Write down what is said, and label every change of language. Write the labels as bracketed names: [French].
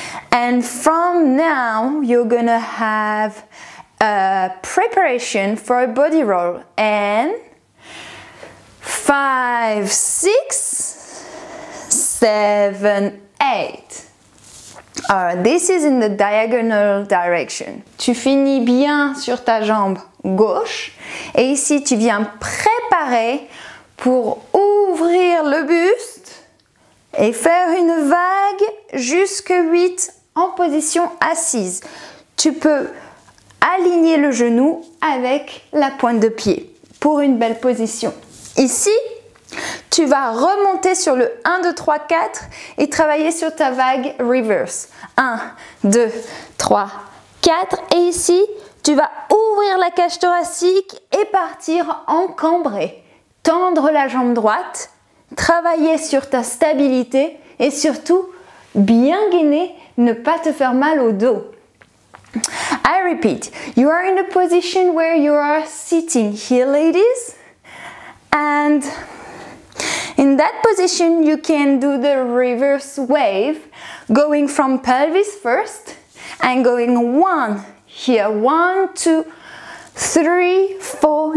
[English] And from now, you're gonna have preparation for a body roll, and 5, 6, 7, 8. All right, this is in the diagonal direction. [French] Tu finis bien sur ta jambe gauche, et ici tu viens préparer pour ouvrir le buste et faire une vague jusque 8 en position assise. Tu peux aligner le genou avec la pointe de pied pour une belle position. Ici, tu vas remonter sur le 1, 2, 3, 4 et travailler sur ta vague reverse. 1, 2, 3, 4. Et ici, tu vas ouvrir la cage thoracique et partir en cambré. Tendre la jambe droite, travailler sur ta stabilité et surtout bien gainer, ne pas te faire mal au dos. [English] I repeat, you are in a position where you are sitting here, ladies. And in that position, you can do the reverse wave, going from pelvis first and going one here, one, two, three, four.